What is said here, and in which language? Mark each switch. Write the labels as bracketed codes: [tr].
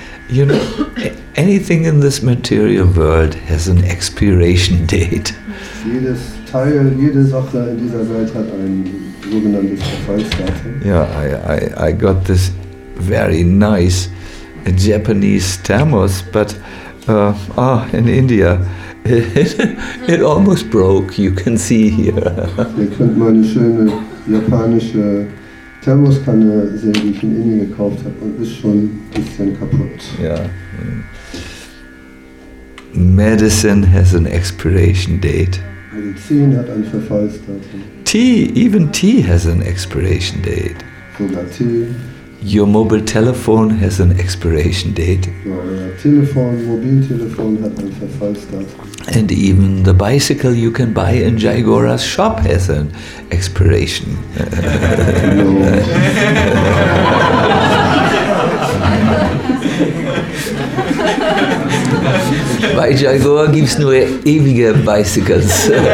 [en] You know, anything in this material world has an expiration date. [de] Jedes Teil, jede Sache in dieser Welt hat ein sogenanntes Verfallsdatum. [en] Ja, I got this very nice Japanese thermos, but in India, it almost broke, you can see here. [de] Ihr könnt meine schöne japanische Thermoskanne sehen, die ich in Indien gekauft habe, und ist schon ein bisschen kaputt. Ja. [en] Medicine has an expiration date. [de] Medizin hat ein Verfallsdatum. [en] Tea, even tea has an expiration date. [de] Sogar Tee. [en] Your mobile telephone has an expiration date. [de] Mobiltelefon hat ein Verfallsdatum. [en] And even the bicycle you can buy in Jaigora's shop has an expiration. [de] Bei Jaigora gibt's nur ewige Bicycles.